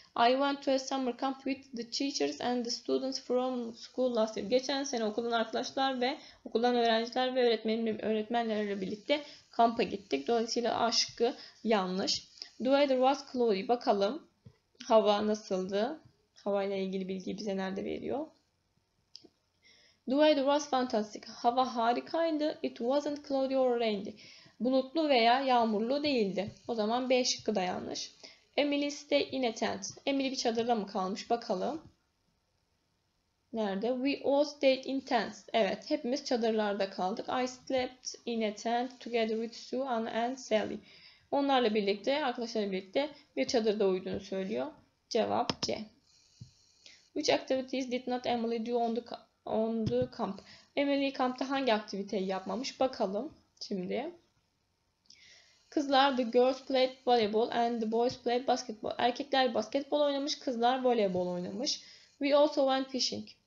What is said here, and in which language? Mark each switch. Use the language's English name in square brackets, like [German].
[English] I went to a summer camp with the teachers and the students from school last year. [Turkish] Geçen sene okuldan arkadaşlar ve okuldan öğrenciler ve öğretmenlerle birlikte kampa gittik. Dolayısıyla A şıkkı yanlış. [English] The weather was cloudy. [Turkish] Bakalım hava nasıldı? Hava ile ilgili bilgiyi bize nerede veriyor? [English] The weather was fantastic. [Turkish] Hava harikaydı. [English] It wasn't cloudy or rainy. [Turkish] Bulutlu veya yağmurlu değildi. O zaman B şıkkı da yanlış. [English] Emily stayed in a tent. [Turkish] Emily bir çadırda mı kalmış? Bakalım. Nerede? [English] We all stayed in tents. [Turkish] Evet, hepimiz çadırlarda kaldık. [English] I slept in a tent together with Sue and Sally. [Turkish] Onlarla birlikte, arkadaşlarla birlikte bir çadırda uyuduğunu söylüyor. Cevap C. [English] Which activities did not Emily do on the camp. [Turkish] Emily kampta hangi aktiviteyi yapmamış? Bakalım şimdi. [English] Kızlar the girls played volleyball and the boys played basketball. [Turkish] Erkekler basketbol oynamış, kızlar voleybol oynamış. [English] We also went fishing.